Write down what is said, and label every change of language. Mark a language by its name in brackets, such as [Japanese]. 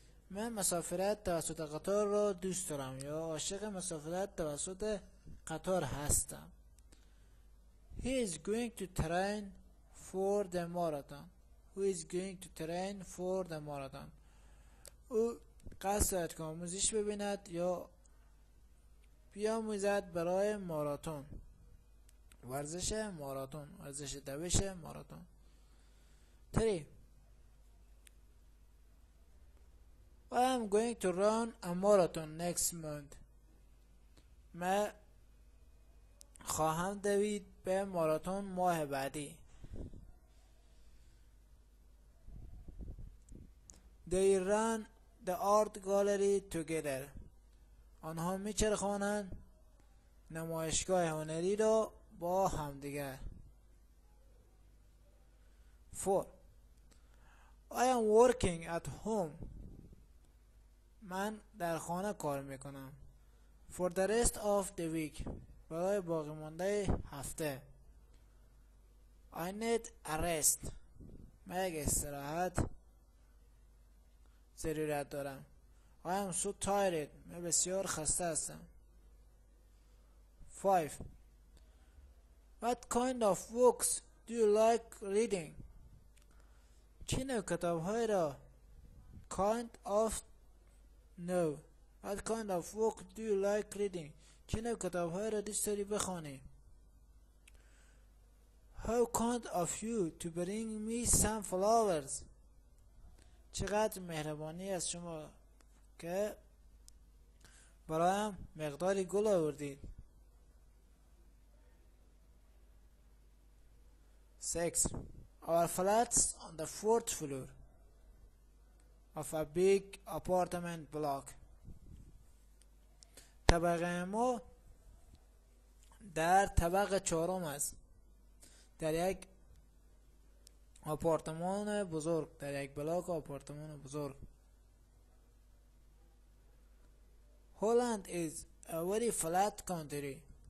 [Persian] من مسافرت توسط قطار را دوست دارم یا عاشق مسافرت توسط قطار هستم. [English] He is going to train for the marathon. [Persian] او قصد دارد که آموزش ببیند یا بیاموزد برای ماراتون. ورزش ماراتون، ورزش دویش ماراتون. 3. [English] I'm going to run a marathon next month. [Persian] من خواهم دوید به ماراتون ماه بعدی. [English] They run the art gallery together. [Persian] آنها میچرخانند نمایشگاه هنری را با هم دیگر. [English] 4. I am working at home. [Persian] من در خانه کار میکنم. [English] For the rest of the week. [Persian] برای باقی مانده هفته. [English] I need a rest. [Persian] من یک استراحت ضرورت دارم. [English] I am so tired. [Persian] من بسیار خسته هستم. 5. [English] What kind of books do you like reading? [Persian] چه نوع کتاب های را [English] kind of no what kind of book do you like reading [Persian] چه نوع کتاب های را دوست داری بخوانی. [English] How kind of you to bring me some flowers. [Persian] چقدر مهربانی از شما که برایم مقداری گل آوردید. 6. [English] Our flats on the fourth floor of a big apartment block. [Persian] طبقه ما در طبقه چهارم است. در یک آپارتمان بزرگ، در یک بلاک آپارتمان بزرگ. [English] Holland is a very flat country.